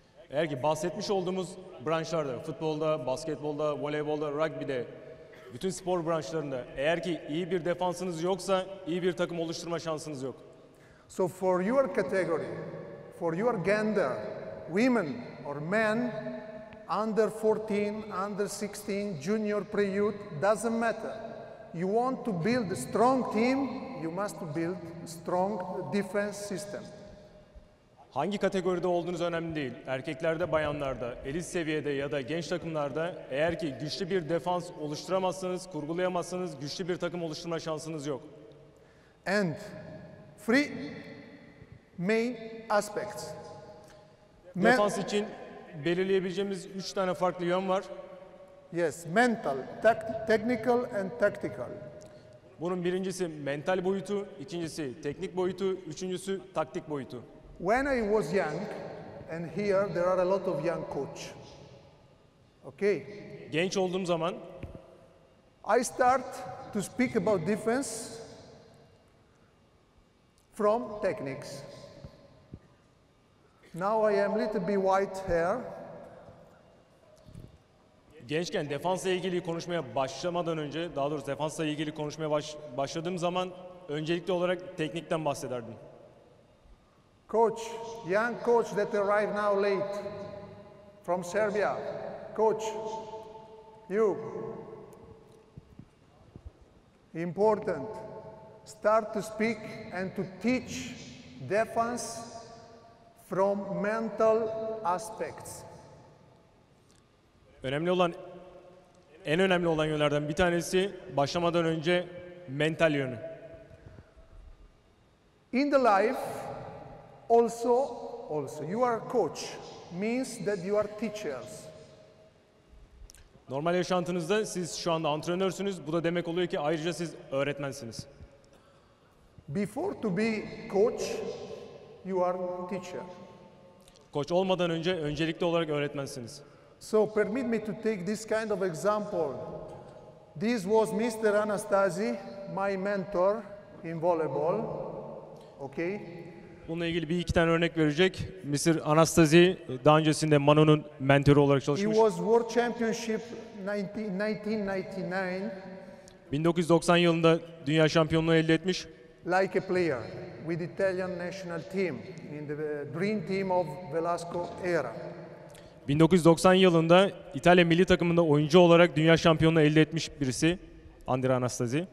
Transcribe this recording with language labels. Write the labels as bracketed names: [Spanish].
[Turkish] Eğer ki bahsetmiş olduğumuz branşlarda, futbolda, basketbolda, voleybolda, rugby'de, bütün spor branşlarında eğer ki iyi bir defansınız yoksa iyi bir takım oluşturma şansınız yok. [English] So for your category, for your gender, women or men, under 14, under 16, junior, pre-youth, doesn't matter. You want to build a strong team, you must build a strong defense system. [Turkish] Hangi kategoride olduğunuz önemli değil. Erkeklerde, bayanlarda, elit seviyede ya da genç takımlarda eğer ki güçlü bir defans oluşturamazsanız, kurgulayamazsanız güçlü bir takım oluşturma şansınız yok. [English] And three main aspects. [Turkish] Defans için belirleyebileceğimiz üç tane farklı yön var. [English] Yes, mental, technical and tactical. [Turkish] Bunun birincisi mental boyutu, ikincisi teknik boyutu, üçüncüsü taktik boyutu. [English] When I was young, and here there are a lot of young coach. Okay. [Turkish] Genç olduğum zaman, [English] I start to speak about defense from techniques. Now I am little bit white hair. [Turkish] Gençken defansla ilgili konuşmaya başlamadan önce, daha doğrusu defansla ilgili konuşmaya başladığım zaman, öncelikli olarak teknikten bahsederdim. [English] Coach, young coach that arrived now late from Serbia. Coach, you. Important. Start to speak and to teach defense from mental aspects. [Turkish] Önemli olan en önemli olan yönlerden bir tanesi başlamadan önce mental yönü. [English] In the life also you are a coach means that you are teachers. [Turkish] Normal yaşantınızda siz şu anda antrenörsünüz. Bu da demek oluyor ki ayrıca siz öğretmensiniz. [English] Before to be coach, you are teacher. [Turkish] Koç olmadan önce öncelikli olarak öğretmensiniz. [English] So permit me to take this kind of example. This was Mr. Anastasi, my mentor in volleyball. Okay? [Turkish] Bununla ilgili bir iki tane örnek verecek. Mr. Anastasi daha öncesinde Manu'nun mentörü olarak çalışmış. [English] He was World Championship 1999. [Turkish] 1990 yılında dünya şampiyonluğu elde etmiş. [English] Like a player with Italian national team in the dream team of Velasco era. [Turkish] 1990 yılında İtalya milli takımında oyuncu olarak dünya şampiyonluğu elde etmiş birisi Andrea Anastasi.